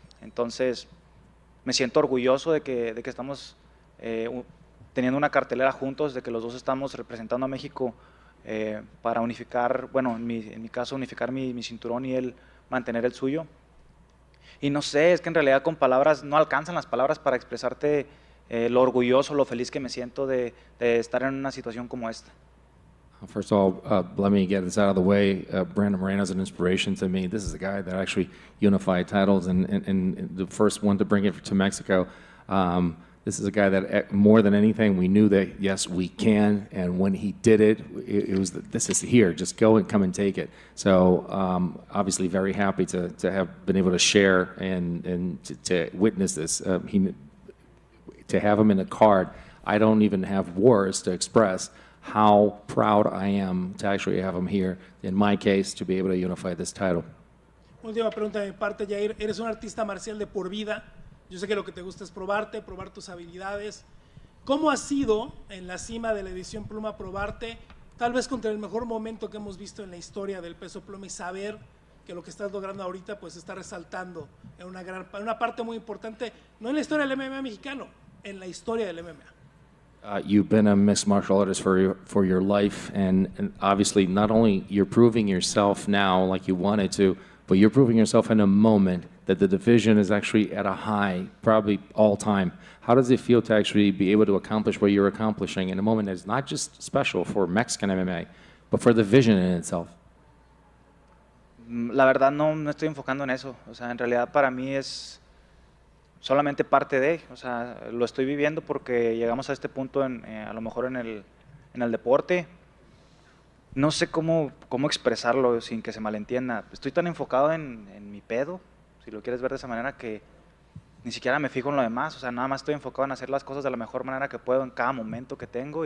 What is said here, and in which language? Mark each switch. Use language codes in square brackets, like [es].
[es] Entonces, me siento orgulloso de que estamos teniendo una cartelera juntos, de que los dos estamos representando a México para unificar, bueno, en mi caso, unificar mi cinturón y él mantener el suyo. Y no sé, es que en realidad con palabras, no alcanzan las palabras para expresarte lo orgulloso, lo feliz que me siento de estar en una situación como esta. [en] First of all, let me get this out of the way. Brandon Moreno is an inspiration to me. This is a guy that actually unified titles and the first one to bring it to Mexico. This is a guy that more than anything, we knew that, yes, we can. And when he did it, it was this is here. Just go and come and take it. So obviously very happy to have been able to share and to witness this. To have him in a card, I don't even have words to express how proud I am to actually have him here, in my case, to be able to unify this title. [es] Última pregunta de mi parte, Yair. Eres un artista marcial de por vida. Yo sé que lo que te gusta es probarte, probar tus habilidades. ¿Cómo ha sido en la cima de la edición pluma probarte, tal vez contra el mejor momento que hemos visto en la historia del peso pluma, y saber que lo que estás logrando ahorita pues está resaltando en una parte muy importante, no en la historia del MMA mexicano, en la historia del MMA? [en] You've been a mixed martial artist for your life, and obviously not only you're proving yourself now like you wanted to, but you're proving yourself in a moment that the division is actually at a high, probably all time. How does it feel to actually be able to accomplish what you're accomplishing in a moment that is not just special for Mexican MMA, but for the division in itself? [es] La verdad, no estoy enfocando en eso. O sea, en realidad para mí es solamente parte de, o sea, lo estoy viviendo porque llegamos a este punto a lo mejor en el deporte. no sé cómo expresarlo sin que se malentienda. Estoy tan enfocado en mi pedo, si lo quieres ver de esa manera, que ni siquiera me fijo en lo demás. O sea, nada más estoy enfocado en hacer las cosas de la mejor manera que puedo en cada momento que tengo.